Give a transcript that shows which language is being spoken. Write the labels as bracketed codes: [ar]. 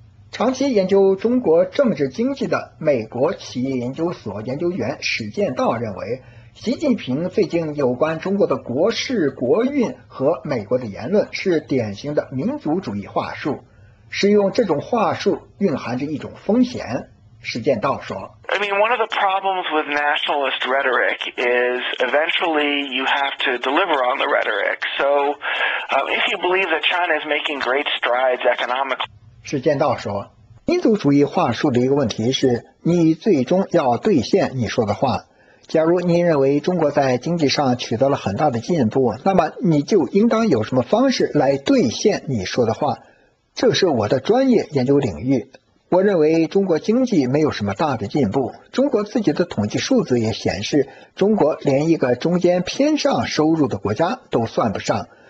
[zh] 长期研究中国政治经济的美国企业研究所研究员史建道认为，习近平最近有关中国的国事国运和美国的言论是典型的民族主义话术，使用这种话术蕴含着一种风险。史建道说， [en] I mean, one of the problems with nationalist rhetoric is eventually you have to deliver on the rhetoric. So, if you believe that China is making great strides economically. [zh] 史建道说，民族主义话术的一个问题是你最终要兑现你说的话。假如您认为中国在经济上取得了很大的进步，那么你就应当有什么方式来兑现你说的话。这是我的专业研究领域。我认为中国经济没有什么大的进步，中国自己的统计数字也显示，中国连一个中间偏上收入的国家都算不上。